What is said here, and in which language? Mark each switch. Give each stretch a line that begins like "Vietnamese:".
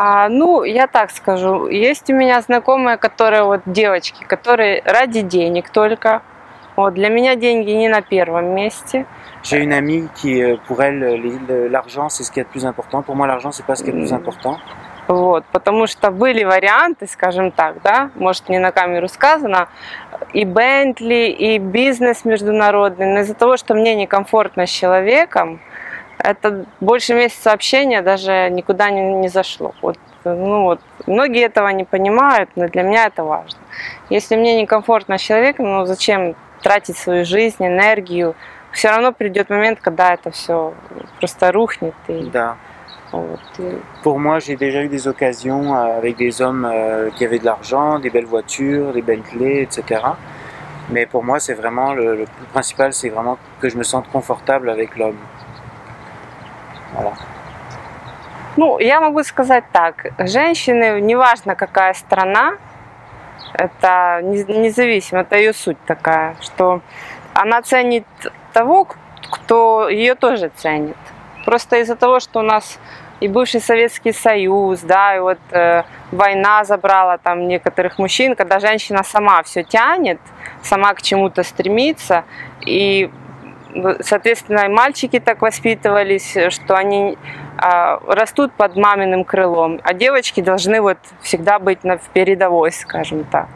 Russian: Ну, я так скажу, есть у меня знакомые, которые вот девочки, которые ради денег только Вот, для меня деньги не на первом месте.
French: J'ai une amie qui, pour elle, l'argent, c'est ce qui est le plus important. Pour moi, l'argent, c'est pas ce qui est le plus important.
Russian: Вот, потому что были варианты, скажем так, да, может, не на камеру сказано, и Bentley, и бизнес международный, но из-за того, что мне некомфортно с человеком, это больше месяца общения даже никуда не зашло. Вот, ну вот, многие этого не понимают, но для меня это важно. Если мне некомфортно с человеком, ну зачем тратить свою жизнь, энергию? Все равно придет момент, когда это все просто рухнет. И... Да.
French: Pour moi, j'ai déjà eu des occasions avec des hommes qui avaient de l'argent, des belles voitures, des Bentley, etc. Mais pour moi, c'est vraiment le principal, c'est vraiment que je me sente confortable avec l'homme. Voilà.
Russian: Ну, я могу сказать так. Женщины, неважно какая страна, это независимо, это ее суть такая, что она ценит того, кто ее тоже ценит. Просто из-за того, что у нас и бывший Советский Союз, да, и вот война забрала там некоторых мужчин, когда женщина сама все тянет, сама к чему-то стремится, и, соответственно, и мальчики так воспитывались, что они растут под маминым крылом, а девочки должны вот всегда быть в передовой, скажем так.